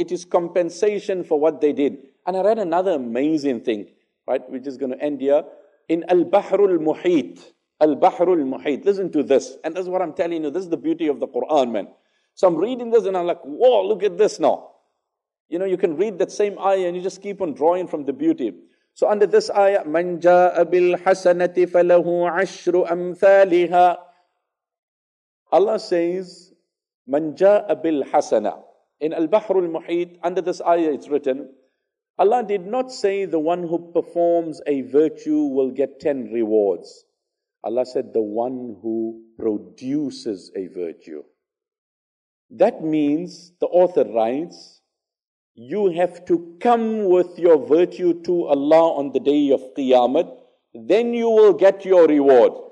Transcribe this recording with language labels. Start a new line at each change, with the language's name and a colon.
English: It is compensation for what they did. And I read another amazing thing, right? We're just going to end here. In Al-Bahru Al-Muhit. Al-Bahru Al-Muhit. Listen to this. And this is what I'm telling you. This is the beauty of the Quran, man. So I'm reading this and I'm like, whoa, look at this now. You know, you can read that same ayah and you just keep on drawing from the beauty. So under this ayah,
Arabic: مَنْ جَاءَ بِالْحَسَنَةِ فَلَهُ عَشْرُ أَمْثَالِهَا.
English: Allah says,
Arabic: مَنْ جَاءَ بِالْحَسَنَةِ.
English: In Al-Bahru Al-Muhit, under this ayah it's written, Allah did not say the one who performs a virtue will get 10 rewards. Allah said the one who produces a virtue. That means, the author writes, you have to come with your virtue to Allah on the day of Qiyamah, then you will get your reward.